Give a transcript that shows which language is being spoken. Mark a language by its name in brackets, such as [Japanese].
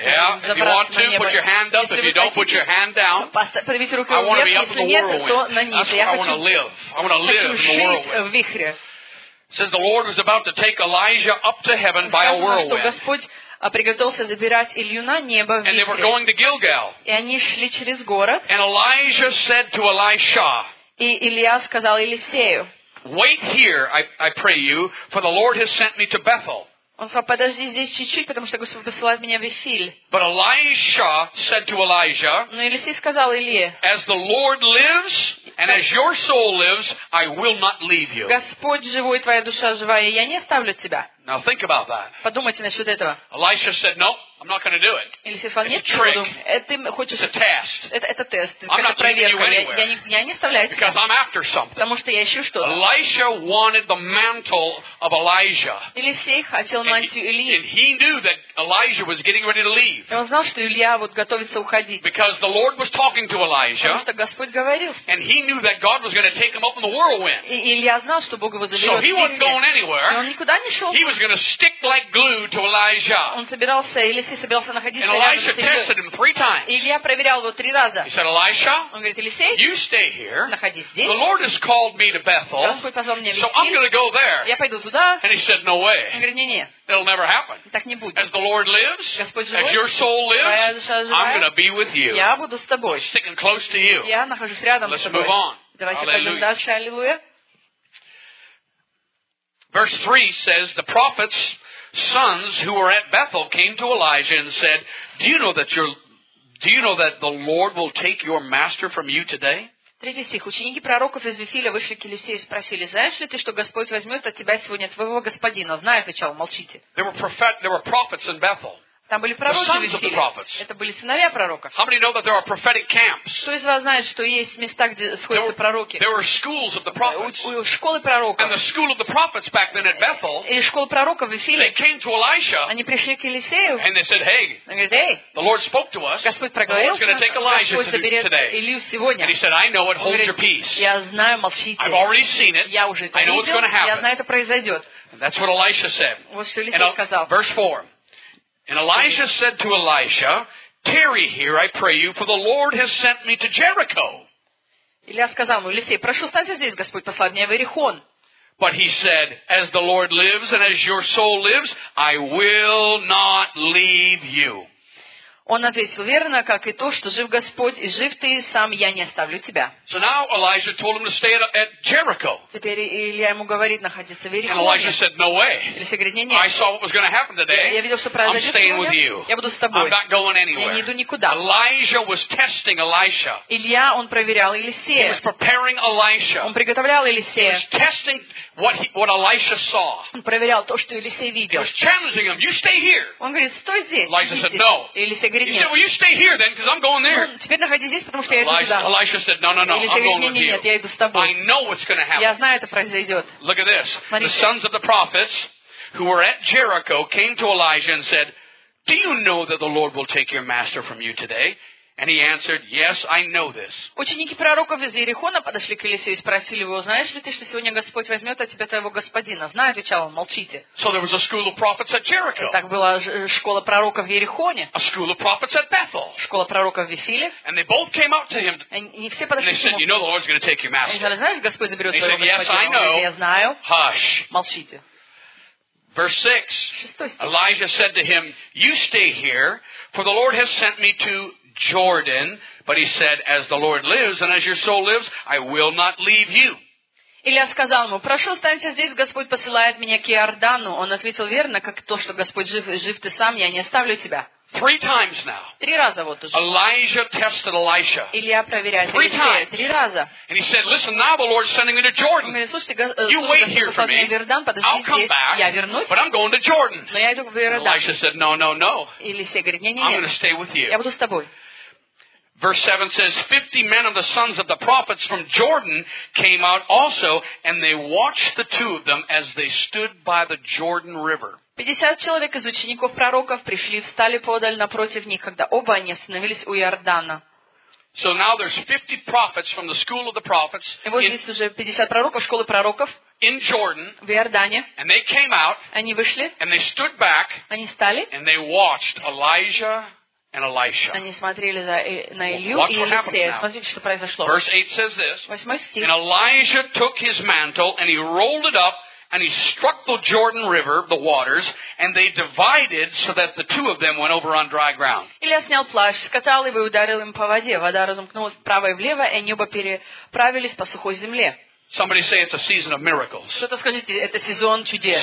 [English] Yeah, if you want to, put your hand up. If you don't, put your hand down. [Russian] Поднимите руку, если нет, то на низ. Я хочу жить в вихре. [English] I want to live. I want to live in the whirlwind. It says the Lord was about to take Elijah up to heaven by a whirlwind. [Russian] А приготовился забирать Илью на небо в вихре. И они шли через город. [English] And Elijah said to Elisha. [Russian] И Илия сказал Елисею. [English] Wait here, I pray you, for the Lord has sent me to Bethel. [Russian] Он сказал, подожди здесь чуть-чуть, потому что Господь посылает меня в Вифиль. [English] But Elisha said to Elijah, [Russian] но Елисей сказал Илье, [English] as the Lord lives, and as your soul lives, I will not leave you. [Russian] Господь живой, твоя душа живая, я не оставлю тебя. [English] Now think about that. [Russian] Подумайте насчет этого. [English] Elisha said, no, I'm not going to do it. [Russian] Елисей сказал, нет, не буду. Ты хочешь... [English] It's a test. [Russian] Это тест. [English] I'm not leaving you anywhere. [Russian] Я не оставляю тебя. [English] Because I'm after something. [Russian] Потому что я ищу что-то. [English] Elisha wanted the mantle of Elijah. [Russian] Елисей хотел мантию Ильи. [English] And he knew that Elijah was getting ready to leave. [Russian] Он знал, что Илья вот готовится уходить. [English] Because the Lord was talking to Elijah. [Russian] Потому что Господь говорил. [English] And he knew that God was going to take him up in the whirlwind. [Russian] И Илья знал, что Бог его заберет. [English] So he wasn't going anywhere. [Russian] Он никуда не шел. [English] He was going to stick like glue to Elijah. [Russian] Он собирался, Елисей собирался находиться рядом с Ильей. [English] And Elisha tested him three times. [Russian] Илья проверял его три раза. [English] He said, Elisha, [Russian] он говорит, Елисей, [English] you stay here. [Russian] Находись здесь. [English] The Lord has called me to Bethel. [Russian] Господь позвал меня в Вифиль. [English] So I'm going to go there. [Russian] Я пойду туда. [English] And he said, no way. [Russian] Он говорит, не-не. [English] It'll never happen. [Russian] Так не будет. [English] As the Lord lives, as your soul lives, I'm going to be with you. [Russian] Я буду с тобой. [English] I'm sticking close to you. [Russian] Я нахожусь рядом с тобой. [English] Let's move on. [Russian] Давайте пойдем дальше. Аллилуйя. [English] Verse 3 says, the prophet's sons who were at Bethel came to Elijah and said, do you know that the Lord will take your master from you today? [Russian] Третий стих. Ученики пророков из Вифиля вышли к Елисею и спросили, знаешь ли ты, что Господь возьмет от тебя сегодня твоего господина? Знаю, отвечал, молчите. [English] There were prophets in Bethel. [Russian] Там были пророки в Вифиле. Это были сыновья пророков. [English] How many know that there are prophetic camps? [Russian] Кто из вас знает, что есть места, где сходятся пророки? [English] There were schools of the prophets. [Russian] Школы пророков. [English] And the school of the prophets back then at Bethel. [Russian] И школа пророков в Вифиле. [English] They came to Elisha. [Russian] Они пришли к Елисею. [English] And they said, hey. [Russian] Они говорят, эй. [English] The Lord spoke to us. [Russian] Господь проговорил. [English] He's going to take Elijah today. [Russian] Господь заберет Илью сегодня. [English] And he said, I know it. Hold your peace. [Russian] Я знаю, молчите. [English] I've already seen it. [Russian] Я уже видел. [English] I know it's going to happen. [Russian] Я знаю, это произойдет. [English] That's what Elisha said. [Russian] Вот что Елисей сказал. [English] Verse 4. And Elijah said to Elisha, tarry here, I pray you, for the Lord has sent me to Jericho. [Russian] Илия сказал ему, Елисей, прошу, останься здесь, Господь послал меня в Иерихон. [English] But he said, as the Lord lives and as your soul lives, I will not leave you. [Russian] Он ответил, верно, как и то, что жив Господь, и жив ты сам, я не оставлю тебя. [English] So now Elijah told him to stay at Jericho. [Russian] Теперь Илья ему говорит находиться в Иерихоне. [English] And Elijah said, no way. [Russian] Илья говорит, нет. [English] I saw what was going to happen today. [Russian] Я видел, что произойдет сегодня. [English] I'm staying with you. [Russian] Я буду с тобой. [English] I'm not going anywhere. [Russian] Я не иду никуда. [English] Elijah was testing Elisha. [Russian] Илья, он проверял Елисея. [English] He was preparing Elisha. [Russian] Он приготовлял Елисея. [English] He was testing what Elisha saw. [Russian] Он проверял то, что Елисей видел. [English] He was challenging him. You stay here. [Russian] Он говорит, стой здесь. [English] Elijah said, no. He said, well, you stay here then, because I'm going there. [Russian] Теперь находись здесь, потому что я иду туда. [English] Elisha said, no, no, no, I'm going with you. [Russian] Нет, я иду с тобой. [English] I know what's going to happen. [Russian] Я знаю, это произойдет. [English] Look at this. The sons of the prophets who were at Jericho came to Elijah and said, do you know that the Lord will take your master from you today? And he answered, yes, I know this. [Russian] Ученики пророков из Иерихона подошли к Елисею и спросили его, знаешь ли ты, что сегодня Господь возьмет от тебя твоего господина? Знаю, отвечал он, молчите. [English] So there was a school of prophets at Jericho. [Russian] Так была школа пророков в Иерихоне. [English] A school of prophets at Bethel. [Russian] Школа пророков в Вифиле. [English] And they both came out to him. [Russian] Они все подошли к нему. [English] And they said, you know the Lord's going to take your master. [Russian] Они сказали, знаешь, Господь заберет твоего господина. [English] And he said, yes, I know. [Russian] Я знаю. [English] Hush. [Russian] Молчите. [English] Verse 6. Elijah said to him, you stay here, for the Lord has sent me to Jordan, but he said, as the Lord lives and as your soul lives, I will not leave you. [Russian] Илья сказал ему, прошу, останься здесь, Господь посылает меня к Иордану. Он ответил, верно, как то, что Господь жив, жив ты сам, я не оставлю тебя. [English] Three times now. [Russian] Три раза вот уже. [English] Elijah tested Elisha. [Russian] Илья проверяет Елисея три раза. [English] And he said, listen, now the Lord's sending me to Jordan. You wait here for me. I'll come back. [Russian] Я вернусь. [English] But I'm going to Jordan. [Russian] Но я иду в Иордан. [English] Elisha said, no, no, no. [Russian] Елисей говорит, нет. [English] I'm going to stay with you. [Russian] Я буду с тобой. [English] Verse 7 says, 50 men of the sons of the prophets from Jordan came out also, and they watched the two of them as they stood by the Jordan River. [Russian] 50 человек из учеников пророков пришли и встали подаль напротив них, когда оба они остановились у Иордана. [English] So now there's 50 prophets from the school of the prophets. [Russian] И вот здесь уже 50 пророков школы пророков. [English] In Jordan. [Russian] В Иордане. [English] And they came out. [Russian] Они вышли. [English] And they stood back. [Russian] Они стали. [English] And they watched Elijah. And Elisha. [Russian] Они смотрели на Илью и Елисея. Смотрите, что произошло. [English] Verse 8 says this. [Russian] 8 стих. [English] And Elijah took his mantle and he rolled it up and he struck the Jordan River, the waters, and they divided so that the two of them went over on dry ground. [Russian] Илья снял плащ, скатал его и ударил им по воде. Вода разомкнулась вправо и влево, и они оба переправились по сухой земле. [English] Somebody say it's a season of miracles. [Russian] Что-то скажите, это сезон чудес.